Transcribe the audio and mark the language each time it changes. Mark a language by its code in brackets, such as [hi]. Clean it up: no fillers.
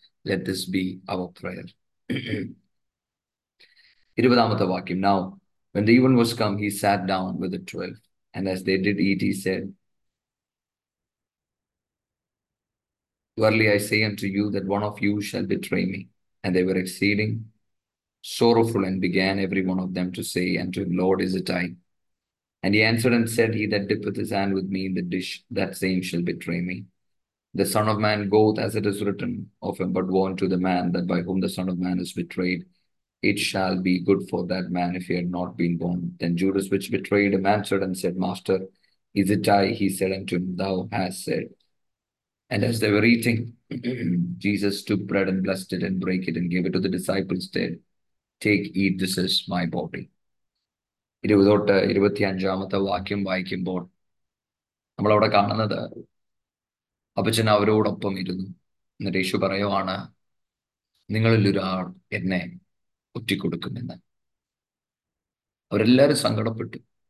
[en] Let this be our prayer. [ml] 20-ാമത്തെ വാക്യം. [en] Now when the even was come, he sat down with the 12, and as they did eat he said, Verily I say unto you that one of you shall betray me. And they were exceeding sorrowful and began every one of them to say unto him, Lord, is it I? And he answered and said, He that dippeth his hand with me in the dish, that same shall betray me. The Son of Man goeth as it is written of him, but woe unto the man that by whom the Son of Man is betrayed. It shall be good for that man if he had not been born. Then Judas, which betrayed him, answered and said, Master, is it I? He said unto him, Thou hast said. And as they were eating, Jesus took bread and blessed it and broke it and gave it to the disciples, said, Take, eat, this is my body. [ml] 20-25-ാമത്തെ വാക്യം വായിക്കുമ്പോൾ നമ്മൾ അവിടെ കാണുന്നത് അപ്പച്ചൻ അവരോടൊപ്പം ഇരുന്നു. എന്നിട്ട് യേശു പറയുവാണ്, നിങ്ങളിൽ ഒരാൾ എന്നെ ഒറ്റിക്കൊടുക്കുമെന്ന്. അവരെല്ലാവരും സങ്കടപ്പെട്ടു.